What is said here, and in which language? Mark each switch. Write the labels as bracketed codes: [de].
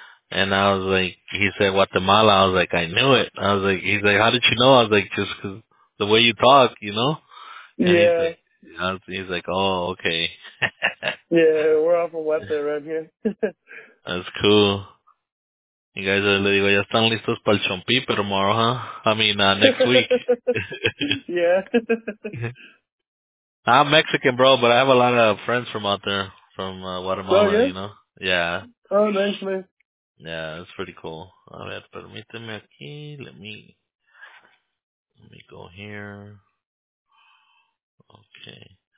[en] And I was like, he said Guatemala. I was like, I knew it. I was like, he's like, how did you know? I was like, just because the way you talk, you know? And yeah. He's like, oh, okay. Yeah, we're off a weapon right here. That's cool. You guys are, [es] le digo, ya están listos para el chompi, pero [en] tomorrow, huh? I mean, next week. Yeah. I'm Mexican, bro, but I have a lot of friends from out there, from Guatemala, oh, yeah? You know? Yeah. Oh, thanks, man. Yeah, that's pretty cool. [es] A ver, permíteme aquí. [en] Let me go here. Okay.